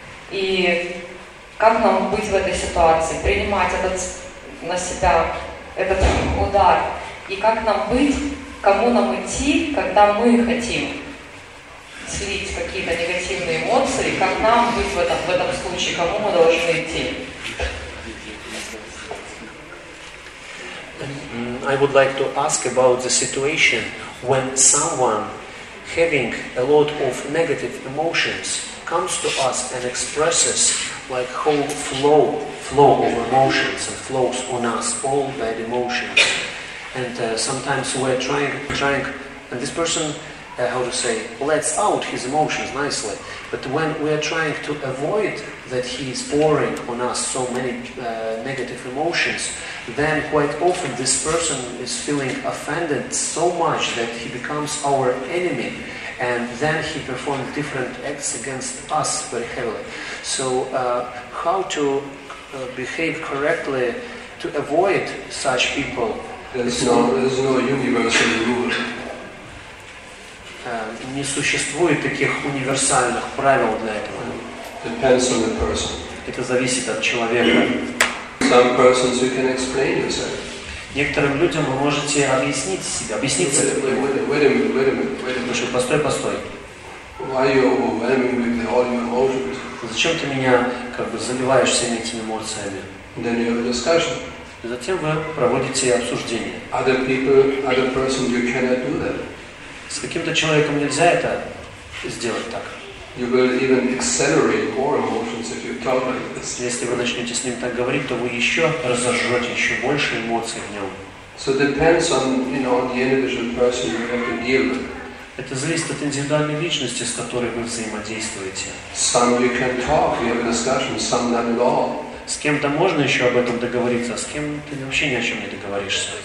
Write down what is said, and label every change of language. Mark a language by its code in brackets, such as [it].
[ru] И как нам быть в этой ситуации, принимать этот, на себя этот удар? И как нам быть, кому нам идти, когда мы хотим слить какие-то негативные эмоции, как нам быть в этом случае, кому мы должны идти? [en] I would like to ask about the situation when someone having a lot of negative emotions comes to us and expresses like whole flow of emotions and flows on us, all bad emotions. And sometimes we're trying, and this person, lets out his emotions nicely. But when we are trying to avoid that he is pouring on us so many negative emotions, then quite often this person is feeling offended so much that he becomes our enemy, and then he performs different acts against us very heavily. So how to behave correctly to avoid such people? There's no universal rule. [ru] Не существует таких универсальных правил для этого. [en] Depends on the person. [ru] Это зависит от человека. [en] Some persons you can explain yourself. [ru] Некоторым людям вы можете объяснить себя, объясниться. [en] Wait a minute. [ru] Постой. [en] Why are you overwhelming with all your emotions? [ru] Зачем ты меня как бы заливаешь всеми этими эмоциями? [en] Then you have a discussion. [ru] Затем вы проводите обсуждение. [en] Other person, you cannot do that. [ru] С каким-то человеком нельзя это сделать так. [en] You will even accelerate more emotions if you talk like this. [ru] Если вы начнете с ним так говорить, то вы еще разожжете еще больше эмоций в нем. [en] So it depends on, you know, the individual person you have to deal with. [ru] Это зависит от индивидуальной личности, с которой вы взаимодействуете. [en] Some you can talk, you have a discussion, some not at all. [ru] С кем-то можно еще об этом договориться, а с кем ты вообще ни о чем не договоришься.